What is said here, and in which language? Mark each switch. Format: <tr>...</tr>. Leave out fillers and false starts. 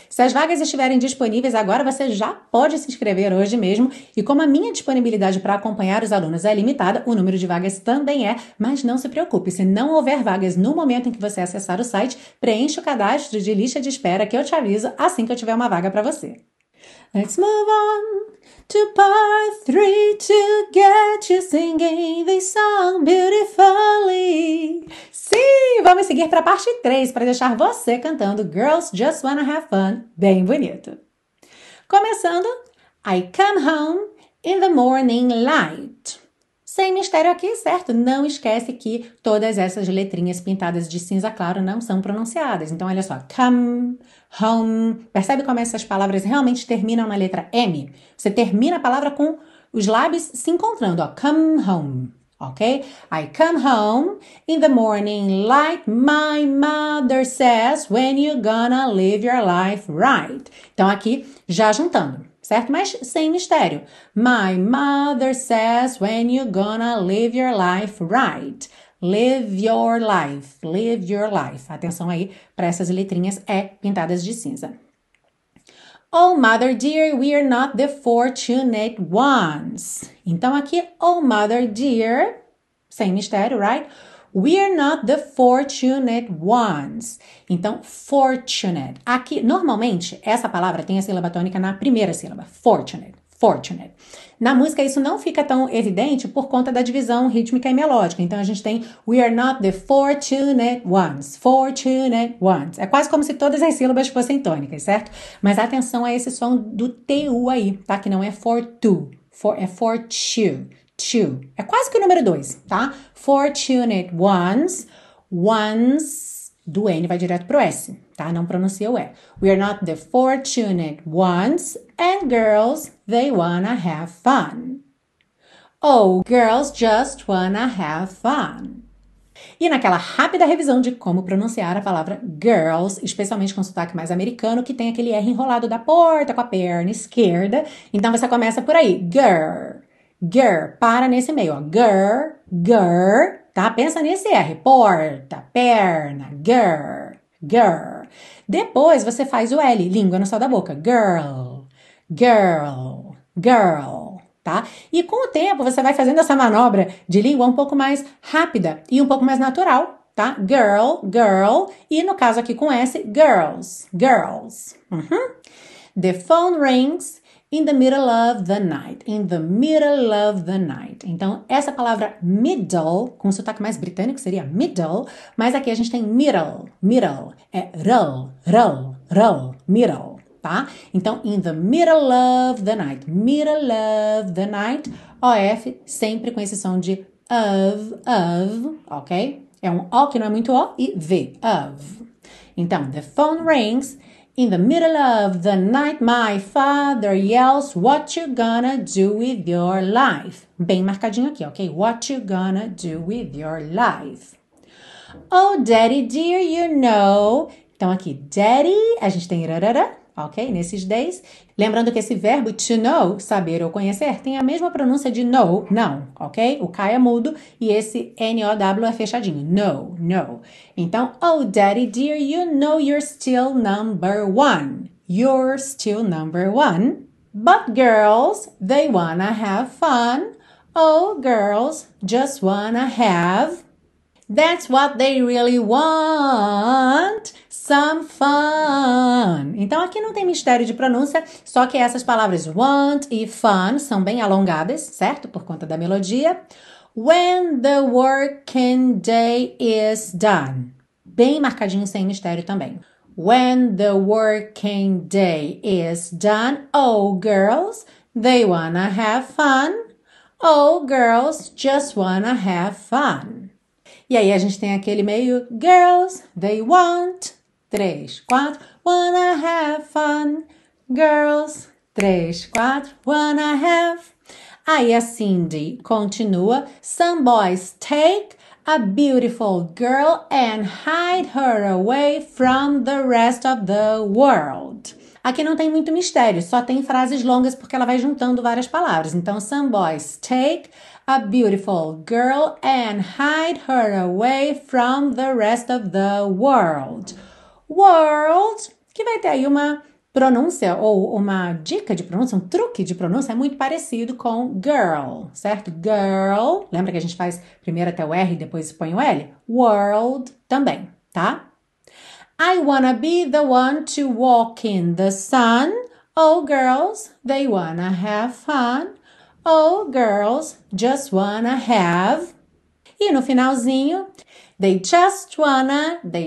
<pt>Se as vagas estiverem disponíveis agora, você já pode se inscrever hoje mesmo. E como a minha disponibilidade para acompanhar os alunos é limitada, o número de vagas também é, mas não se preocupe, se não houver vagas no momento em que você acessar o site, preencha o cadastro de lista de espera que eu te aviso assim que eu tiver uma vaga para você.</pt> <en>Let's move on to part three to get you singing this song beautifully.</en> <pt>Sim, vamos seguir para a parte 3 para deixar você cantando Girls Just Wanna Have Fun bem bonito.</pt> <en>Começando, I come home in the morning light.</en> <pt>Sem mistério aqui, certo? Não esquece que todas essas letrinhas pintadas de cinza claro não são pronunciadas. Então, olha só. Come, home. Percebe como essas palavras realmente terminam na letra M? Você termina a palavra com os lábios se encontrando, ó.</pt> <en>Come home, ok? I come home in the morning light. My mother says, when you gonna live your life right?</en> <pt>Então, aqui, já juntando. Certo? Mas sem mistério.</pt> <en>My mother says when you gonna live your life right. Live your life. Live your life.</en> <pt>Atenção aí para essas letrinhas pintadas de cinza.</pt> <en>Oh, mother dear, we are not the fortunate ones.</en> <pt>Então aqui,</pt> <en>oh, mother dear,</en> <pt>sem mistério, right?</pt> <en>We are not the fortunate ones.</en> <pt>Então, fortunate. Aqui, normalmente, essa palavra tem a sílaba tônica na primeira sílaba. Fortunate. Fortunate. Na música, isso não fica tão evidente por conta da divisão rítmica e melódica. Então, a gente tem</pt> <en>We are not the fortunate ones.</en> <pt>Fortunate ones. É quase como se todas as sílabas fossem tônicas, certo? Mas atenção a esse som do TU aí, tá? Que não é for to. É for to. Two. É quase que o número 2, tá?</pt> <en>Fortunate ones. Ones.</en> <pt>Do N vai direto pro S, tá? Não pronuncia o E.</pt> <en>We are not the fortunate ones. And girls, they wanna have fun. Oh, girls just wanna have fun.</en> <pt>E naquela rápida revisão de como pronunciar a palavra girls, especialmente com sotaque mais americano, que tem aquele R enrolado da porta com a perna esquerda. Então você começa por aí. Girl. Girl, para nesse meio, ó. Girl, girl, tá? Pensa nesse R. Porta, perna, girl, girl. Depois você faz o L, língua no céu da boca. Girl, Girl, girl, tá? E com o tempo você vai fazendo essa manobra de língua um pouco mais rápida e um pouco mais natural, tá? Girl, girl, e no caso aqui com S, girls, girls.</pt> <en>The phone rings in the middle of the night. In the middle of the night.</en> <pt>Então, essa palavra middle, com sotaque mais britânico, seria middle, mas aqui a gente tem middle, middle. É rl, rl, rl, middle. Tá?</pt> <en>Então, in the middle of the night. Middle of the night.</en> <pt>OF, sempre com esse som de of, ok? É um O que não é muito O e V, of.</pt> <en>Então, the phone rings. In the middle of the night, my father yells, what you gonna do with your life?</en> <pt>Bem marcadinho aqui, ok?</pt> <en>What you gonna do with your life? Oh, daddy dear, you know.</en> <pt>Então, aqui, daddy, a gente tem irarara. Ok? Nesses days. Lembrando que esse verbo to know, saber ou conhecer, tem a mesma pronúncia de know, não. Ok? O K é mudo e esse N-O-W é fechadinho.</pt> <en>Know, know. Então, oh, daddy dear, you know you're still number one. You're still number one. But girls, they wanna have fun. Oh, girls, just wanna have. That's what they really want. Some fun.</en> <pt>Então aqui não tem mistério de pronúncia, só que essas palavras want e fun são bem alongadas, certo? Por conta da melodia.</pt> <en>When the working day is done.</en> <pt>Bem marcadinho sem mistério também.</pt> <en>When the working day is done, oh girls, they wanna have fun. Oh girls, just wanna have fun.</en> <pt>E aí a gente tem aquele meio girls, they want. Três, quatro,</pt> <en>wanna have fun, girls.</en> <pt>Três, quatro,</pt> <en>wanna have.</en> <pt>Aí a Cindy continua.</pt> <en>Some boys take a beautiful girl and hide her away from the rest of the world.</en> <pt>Aqui não tem muito mistério, só tem frases longas porque ela vai juntando várias palavras.</pt> <en>Então, some boys take a beautiful girl and hide her away from the rest of the world.</en> <pt>World, que vai ter aí uma pronúncia ou uma dica de pronúncia, um truque de pronúncia muito parecido com girl, certo? Girl, lembra que a gente faz primeiro até o R e depois põe o L? World também, tá?</pt> <en>I wanna be the one to walk in the sun. Oh, girls, they wanna have fun. Oh, girls, just wanna have.</en> <pt>E no finalzinho,</pt> <en>they just wanna.</en>